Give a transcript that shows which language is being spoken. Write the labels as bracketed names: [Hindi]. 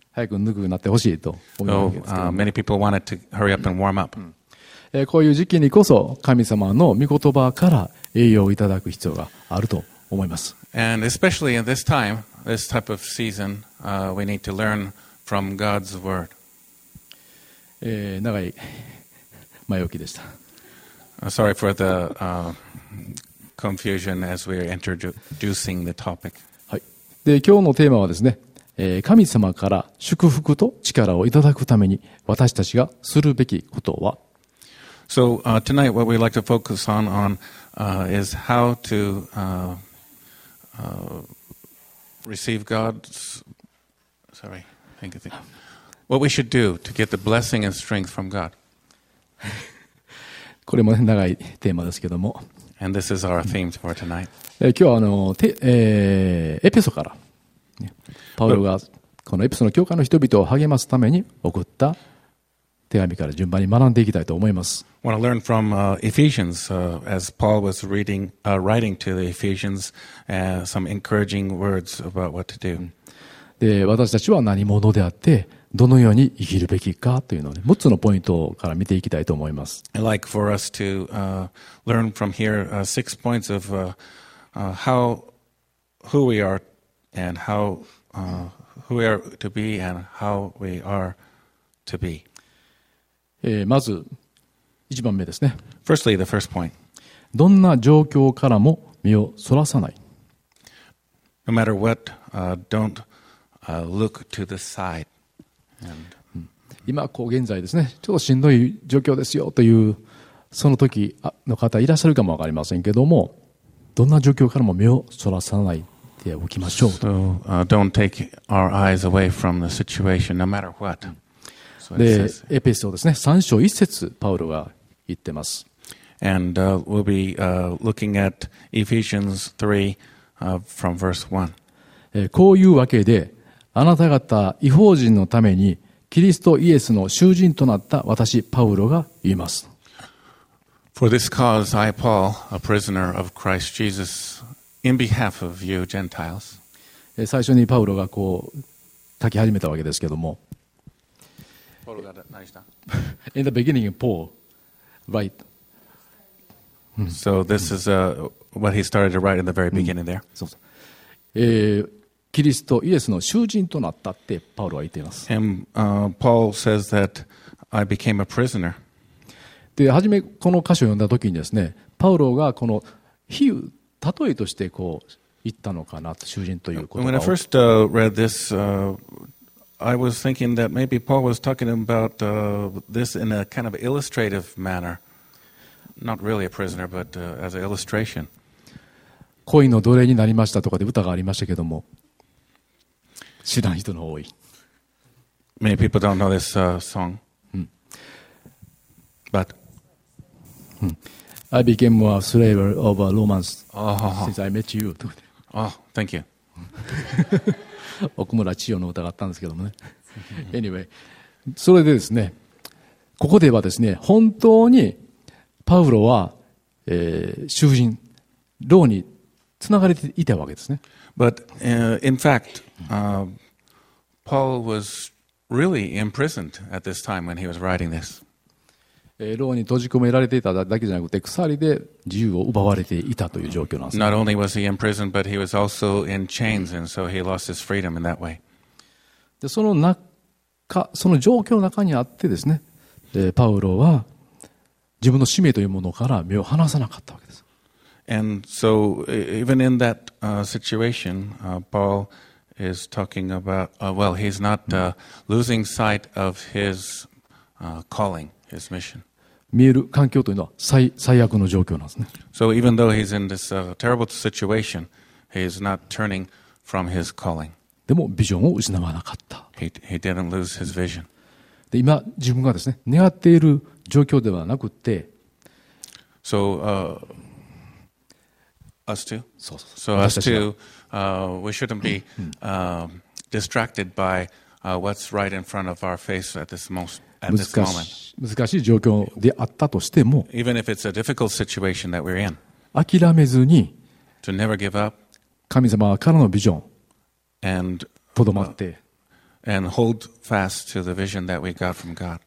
[Japanese] 早くぬくなってほしいと思うんですけど。 [English] Many people wanted to hurry up and warm up. [Japanese] こういう時期にこそ神様の御言葉から栄養をいただく必要があると思います。 [English] And especially in this time, this type of season, we need to learn from God's word. [Japanese] 長い前置きでした。 [English] Sorry for the confusion as we are introducing the topic. [Japanese] はい。で、今日のテーマはですね、神様から祝福と力をいただくために私たちがするべきことは。 [English] So, tonight what we'd like to focus on, is how to, receive God's, sorry, thank you. What we should do to get the blessing and strength from God. [Japanese] これも長いテーマですけども。 [English] And this is our theme for tonight. [Japanese] 今日はエペソから、ね、パウロがこのエペソの教会の人々を励ますために送った手紙から順番に学んでいきたいと思います。 [English] I want to learn from Ephesians, as Paul was reading, writing to the Ephesians, some encouraging words about what to do. [Japanese] で、私たちは何者であって、どのように生きるべきかというのを、ね、6つのポイントから見ていきたいと思います。 [English] I'd like for us to learn from here six points of how, who we are and how, who we are to be and how we are to be. [Japanese] まず、1番目ですね。 [English] Firstly, the first point. [Japanese] どんな状況からも身をそらさない。 [English] No matter what, don't look to the side. [Japanese] 今こう現在ですね、ちょっとしんどい状況ですよというその時の方いらっしゃるかもわかりませんけども、どんな状況からも目をそらさないでおきましょうと。 [English] So, don't take our eyes away from the situation, no matter what. [Japanese] で、エペソですね、3章1節パウロが言ってます。 [English] And we'll be looking at Ephesians 3 from verse 1. [Japanese] こういうわけで。あなた方、異邦人のために、キリストイエスの囚人となった私、パウロが言います。 [English] For this cause, I, Paul, a prisoner of Christ Jesus, in behalf of you, Gentiles. [Japanese] 最初にパウロがこう、書き始めたわけですけども。パウロが何した [English] In the beginning, Paul, write. So this is what he started to write in the very beginning there. [Japanese] そうそう。キリストイエスの囚人となったってパウロは言っています。 [English] And Paul says that I became a prisoner. [Japanese] で、初めこの箇所を読んだときにですね、パウロがこの比喩、例えとしてこう言ったのかな、囚人という言葉を。 [English] When I first read this, I was thinking that maybe Paul was talking about this in a kind of illustrative manner. Not really a prisoner, but as an illustration. [Japanese] 恋の奴隷になりましたとかで歌がありましたけども、知らん人の多い。 [English] Many people don't know this song. But I became a slave of a romance since I met you. Oh, thank you. [Japanese] 奥村千代の歌があったんですけどもね。 [English] Anyway, [Japanese] それでですね、ここではですね、本当にパウロは、囚人、牢につながれていたわけですね。 [English] But in fact, Paul was really imprisoned at this time when he was writing this. [Japanese] 牢に閉じ込められていただけじゃなくて、鎖で自由を奪われていたという状況なんです、 [English] ね。Not only was he in prison, but he was also in chains, and so he lost his freedom in that way. [Japanese] で、その中、その状況の中にあってですね、パウロは自分の使命というものから目を離さなかったわけです。 [English] And so, even in that situation, Paul is talking about, well, he's not losing sight of his calling, his mission. [Japanese] 見える環境というのは最悪の状況なんですね。 [English] So even though he's in this terrible situation, he is not turning from his calling. [Japanese] でもビジョンを失わなかった。 [English] He didn't lose his vision. [Japanese] で、今自分がですね、願っている状況ではなくて、 [English] So, us too? So us too, we shouldn't be distracted by what's right in front of our face at this moment. [Japanese] 難しい状況であったとしても、 [English] Even if it's a difficult situation that we're in, [Japanese] 諦めずに、 [English] to never give up, [Japanese] 神様からのビジョン、とどまって、 [English] and hold fast to the vision that we got from God.